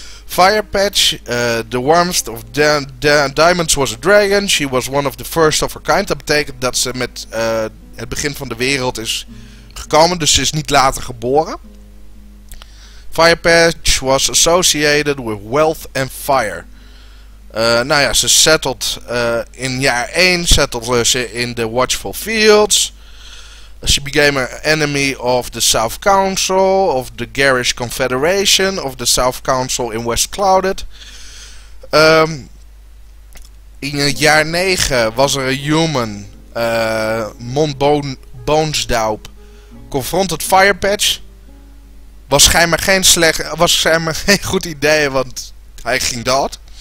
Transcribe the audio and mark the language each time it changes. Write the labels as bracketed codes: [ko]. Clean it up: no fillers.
[en] Fire Patch, The Warmth of Diamonds was a dragon. She was one of the first of her kind. [nl] Dat betekent dat ze met het begin van de wereld is gekomen. Dus ze is niet later geboren. [en] Fire Patch was associated with wealth and fire. [nl] Ze settled in jaar 1, settled ze in the Watchful Fields. [en] She became an enemy of the South Council, of the Garish Confederation, of the South Council in West Clouded. [nl] In het jaar 9 was er een human, Mondbonesdaup, confronted Fire Patch. Was schijnbaar geen slecht, was schijnbaar geen goed idee, want hij ging dood.